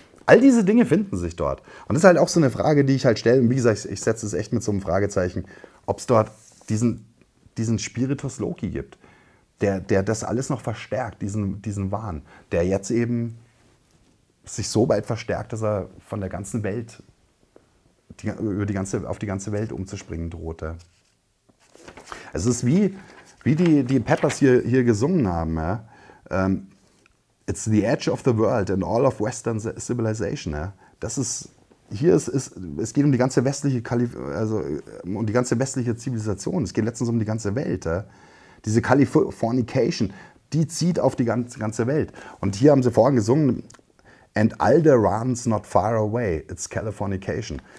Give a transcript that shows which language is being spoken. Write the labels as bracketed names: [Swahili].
[German] All diese Dinge finden sich dort. Und das ist halt auch so eine Frage, die ich halt stelle. Und wie gesagt, ich setze es echt mit so einem Fragezeichen, ob es dort diesen Spiritus Loci gibt, der das alles noch verstärkt, diesen Wahn, der jetzt eben sich so weit verstärkt, dass er von der ganzen Welt, auf die ganze Welt umzuspringen drohte. Es ist wie die Peppers hier gesungen haben. Ja? [English] It's the edge of the world and all of Western civilization. [German] Ja? Das ist. Hier es geht um die ganze westliche um die ganze westliche Zivilisation. Es geht letztens um die ganze Welt. Ja? Diese Californication, die zieht auf die ganze Welt. Und hier haben sie vorhin gesungen: [English] And Alderaan's not far away, it's Californication.